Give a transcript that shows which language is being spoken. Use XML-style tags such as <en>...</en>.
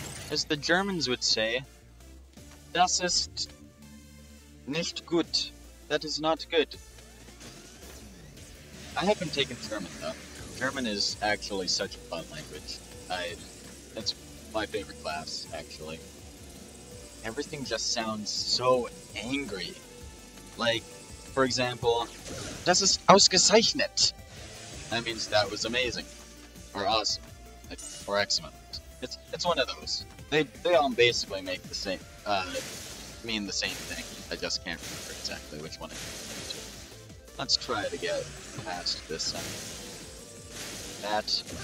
<en>As the Germans would say,</en> <de>das ist nicht gut.</de> <en>That is not good. I haven't taken German, though. German is actually such a fun language. That's my favorite class, actually. Everything just sounds so angry. Like, for example,</en> <de>das ist ausgezeichnet.</de> <en>That means that was amazing. Or awesome. Like, or excellent. It's one of those. They all basically make the same, mean the same thing. I just can't remember exactly which one it is. Let's try to get past this sentence. That.</en>